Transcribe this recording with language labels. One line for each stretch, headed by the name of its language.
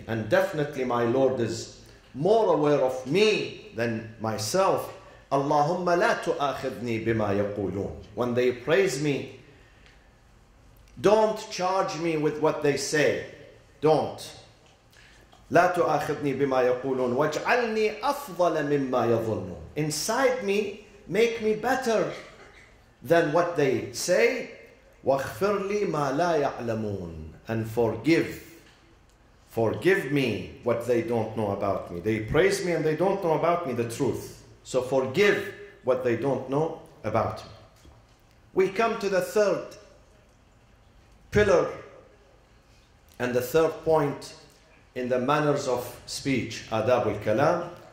English: And definitely my Lord is more aware of me than myself.
Arabic: اللهم لا تؤاخذني بما يقولون.
English: When they praise me, don't charge me with what they say. Don't.
Arabic: لا تؤاخذني بما يقولون واجعلني أفضل مما يظنون.
English: Inside me, make me better than what they say.
Arabic: واغفر لي ما لا يعلمون.
English: And forgive. Forgive me what they don't know about me. They praise me and they don't know about me the truth. So forgive what they don't know about me. We come to the third pillar and the third point in the manners of speech, adab al-kalam.